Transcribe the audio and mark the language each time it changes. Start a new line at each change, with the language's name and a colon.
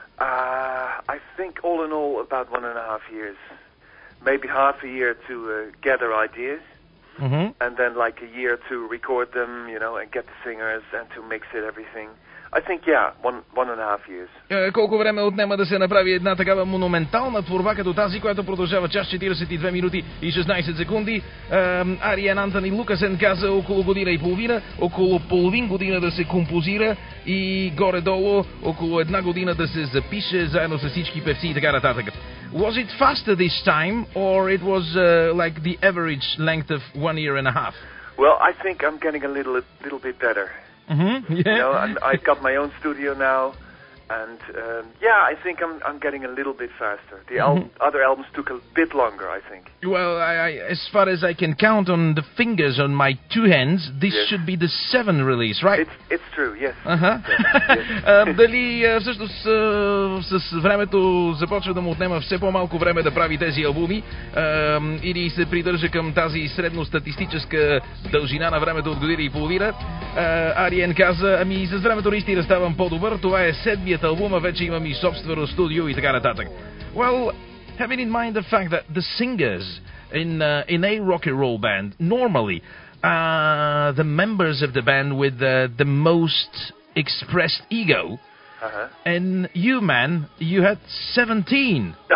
English: I think all in all about 1.5 years. Maybe half a year to gather ideas. Mm-hmm. And then like a year to record them, you know, and get the singers and to mix it, everything. I think, yeah, 1.5 years.
Bulgarian: Колко време отнема да се направи една такава монументална творба като тази, която продължава час 42 минути и 16 секунди? Ариен Антони Лукасен каза около година и половина, около половин година да се композира и горе-долу около една година да се запише заедно с всички певци и така нататък.
English: Was it faster this time, or it was like the average length of 1.5 years? Well, I think I'm getting a little bit better. Mm-hmm. Yeah. You know, I've got my own studio now, and I think I'm getting a little bit faster. The other albums took a bit longer, I think. Well, I as far as I can count on the fingers on my two hands, this yes. should be the 7th release, right? It's true, yes. Uh-huh. Yes. Yes.
Bulgarian: Дали всъщност с времето започва да му отнема все по-малко време да прави тези албуми, или се придържа към тази средностатистическа дължина на времето от година и половина? Ариен каза, с времето наистина ставам по-добър, това е 7th албума, вече имам и собствено студио и така нататък.
English: Well, having in mind the fact that the singers in a rock and roll band normally are the members of the band with the most expressed ego. Uh-huh. And you, man, you had 17.